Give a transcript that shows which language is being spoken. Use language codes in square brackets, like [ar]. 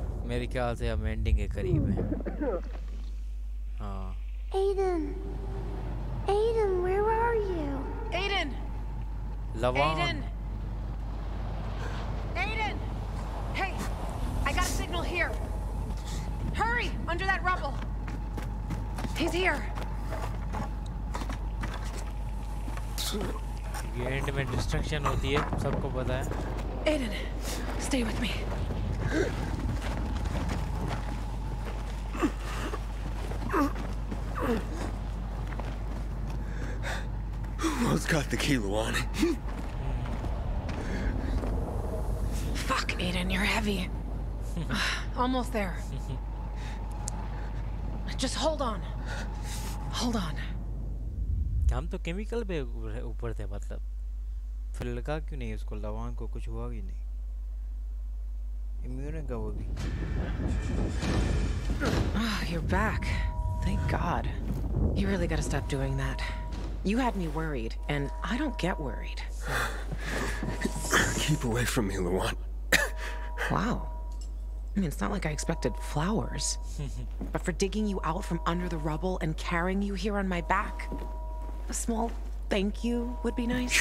[hi] मेरे ख्याल से हम एंडिंग के करीब हैं. [en] Aiden, Aiden, where are you? Aiden. Lavon. Aiden. Aiden. Hey, I got a signal here. Hurry, under that rubble. He's here. [hi] ये एंड में डिस्ट्रक्शन होती है, सबको पता है. [en] Aiden, stay with me. Who's got the key, Luan? Fuck, Aiden, you're heavy. Almost there. Just hold on. Hold on. [hi] हम तो chemical पे ऊपर थे, मतलब फिर लगा क्यों नहीं उसको, लवान को कुछ हुआ भी नहीं, इम्यून है क्या वो भी? [en] Ah, you're back. Thank God. You really gotta stop doing that. You had me worried, and I don't get worried. Keep away from me, Luan. Wow. I mean, it's not like I expected flowers. But for digging you out from under the rubble and carrying you here on my back, a small thank you would be nice.